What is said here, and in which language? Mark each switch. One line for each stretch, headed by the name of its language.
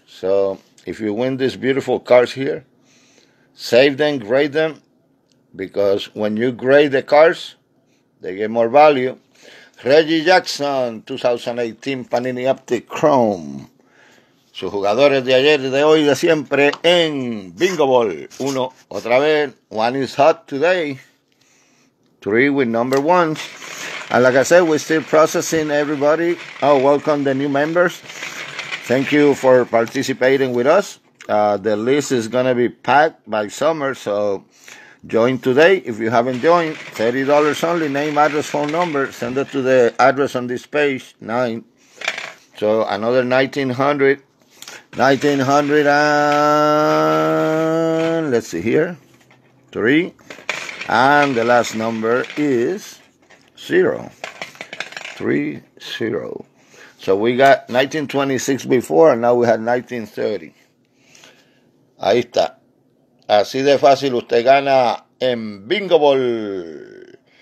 English: So if you win these beautiful cars here, save them, grade them. Because when you grade the cars, they get more value. Reggie Jackson, 2018 Panini Optic Chrome.
Spanish: Sus jugadores de ayer, de hoy, de siempre en Bingo Ball. Uno, otra vez.
English: One is hot today. Three with number one. And like I said, we're still processing everybody. Oh, welcome the new members. Thank you for participating with us. The list is going to be packed by summer, so join today. If you haven't joined, $30 only. Name, address, phone number. Send it to the address on this page, 9. So another 1900. 1900 and let's see here, 3, and the last number is 0, 30. So we got 1926 before, and now we have 1930.
Spanish: Ahí está. Así de fácil usted gana en Bingo Ball.